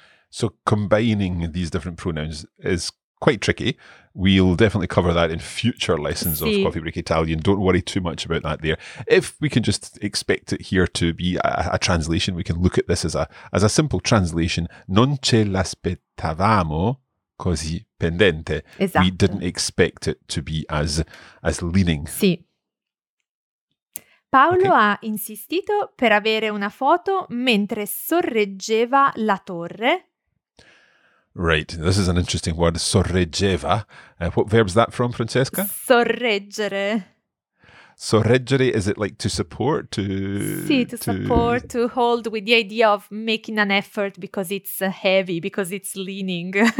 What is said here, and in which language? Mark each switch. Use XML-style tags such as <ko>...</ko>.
<en>So combining these different pronouns is quite tricky. We'll definitely cover that in future lessons of Coffee Break Italian. Don't worry too much about that there. If we can just expect it here to be a translation, we can look at this as a simple translation.</en> <it>Non ce l'aspettavamo così pendente. Esatto.</it> <en>We didn't expect it to be as leaning.</en> <it>Sì. Paolo ha insistito per avere una foto mentre sorreggeva la torre.</it> <en>Right, this is an interesting word, sorreggeva. What verb is that from, Francesca?</en> <it>Sorreggere.</it> <en>Sorreggere, is it like to support? To support, to hold with the idea of making an effort because it's heavy, because it's leaning.</en>